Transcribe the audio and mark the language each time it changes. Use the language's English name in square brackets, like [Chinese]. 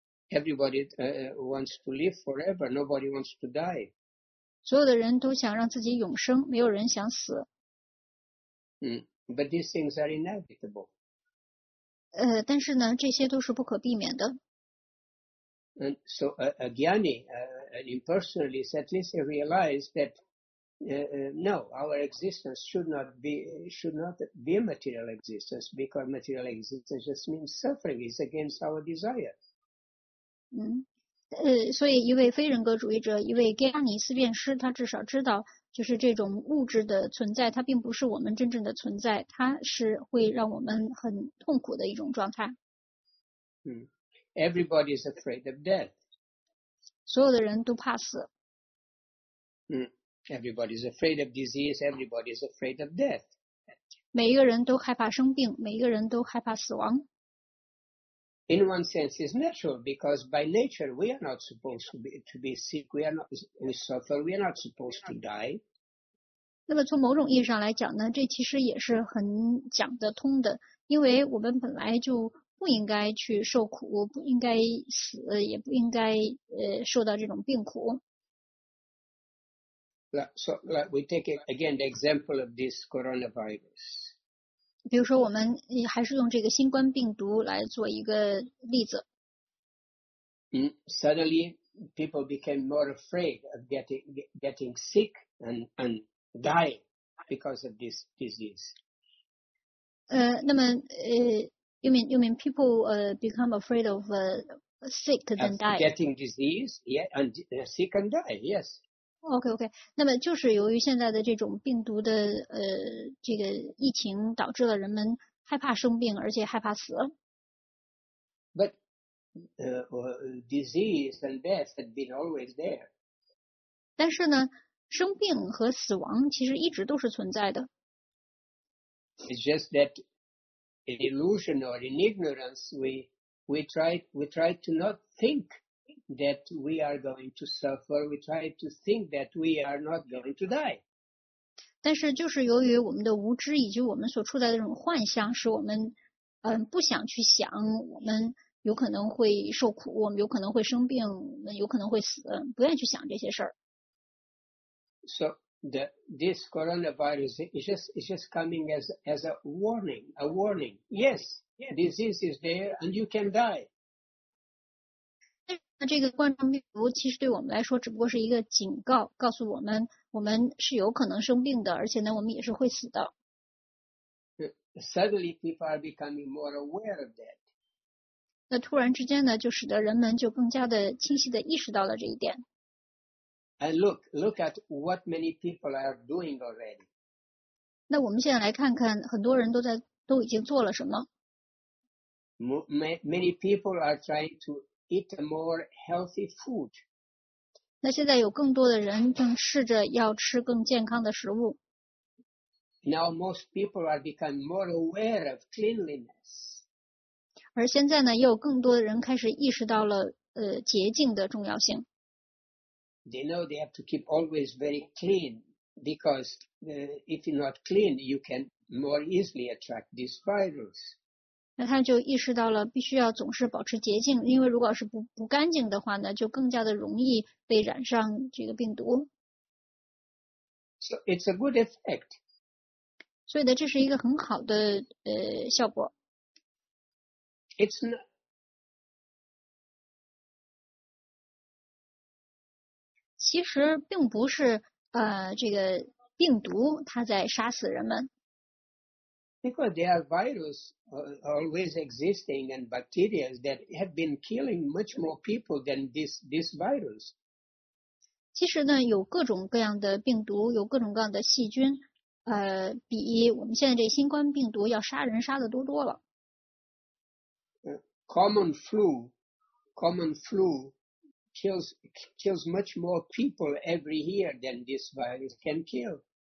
[English] Everybody wants to live forever. Nobody wants to die. [Chinese] 所有的人都想让自己永生，没有人想死。 [English] But these things are inevitable. [Chinese] 但是呢，这些都是不可避免的。 [English] And so, Agyani, impersonally, is at least they realize that no, our existence should not be a material existence, because material existence just means suffering. It's against our desire. [Chinese] 所以一位非人格主义者，一位盖亚尼思辨师，他至少知道，就是这种物质的存在，它并不是我们真正的存在，它是会让我们很痛苦的一种状态。 [English] Everybody is afraid of death. [Chinese] 所有的人都怕死。 [English] Everybody is afraid of disease. Everybody is afraid of death. [Chinese] 每一个人都害怕生病，每一个人都害怕死亡。 [English] In one sense, it's natural, because by nature we are not supposed to be sick. We are not, we suffer. We are not supposed to die. [Chinese] 那么从某种意义上来讲呢，这其实也是很讲得通的，因为我们本来就不应该去受苦，不应该死，也不应该受到这种病苦。 [English] So we take it again, the example of this coronavirus. [Chinese] 比如说我们还是用这个新冠病毒来做一个例子。 [English] Suddenly, people became more afraid of getting sick and dying because of this disease. [Chinese] 那么, [English] you mean people become afraid of sick than die? Getting disease, yeah, and sick and die, yes. Okay. [Chinese] 那么就是由于现在的这种病毒的这个疫情，导致了人们害怕生病，而且害怕死。 [English] But disease and death had been always there. [Chinese] 但是呢，生病和死亡其实一直都是存在的。 [English] It's just that in illusion or in ignorance, we try to not think. That we are going to suffer, we try to think that we are not going to die. [Chinese] 但是就是由于我们的无知以及我们所处在的这种幻象，使我们不想去想我们有可能会受苦，我们有可能会生病，我们有可能会死，不愿意去想这些事儿。 [English] So this coronavirus is just coming as a warning. Yes, disease is there and you can die. [Chinese] 那这个冠状病毒其实对我们来说只不过是一个警告，告诉我们我们是有可能生病的，而且呢我们也是会死的。 [English] Suddenly people are becoming more aware of that. [Chinese] 那突然之间呢，就使得人们就更加的清晰的意识到了这一点。 [English] And look at what many people are doing already. [Chinese] 那我们现在来看看很多人都已经做了什么。 [English] Many people are trying toEat a more healthy food. [Chinese] 那现在有更多的人正试着要吃更健康的食物。 [English] Now most people are becoming more aware of cleanliness. [Chinese] 而现在呢，又更多的人开始意识到了洁净的重要性。 [English] They know they have to keep always very clean because if you're not clean, you can more easily attract this virus. [Chinese] 那他就意识到了必须要总是保持洁净，因为如果是不干净的话呢，就更加的容易被染上这个病毒。 [English] So it's a good effect. [Chinese] 所以呢，这是一个很好的效果。其实并不是这个病毒它在杀死人们。 [English] Because there are virus always existing and bacteria that have been killing much more people than this virus. [Chinese] 其实呢，有各种各样的病毒，有各种各样的细菌，比我们现在这新冠病毒要杀人杀的多多了。 [English] Common flu kills much more people every year than this virus can kill.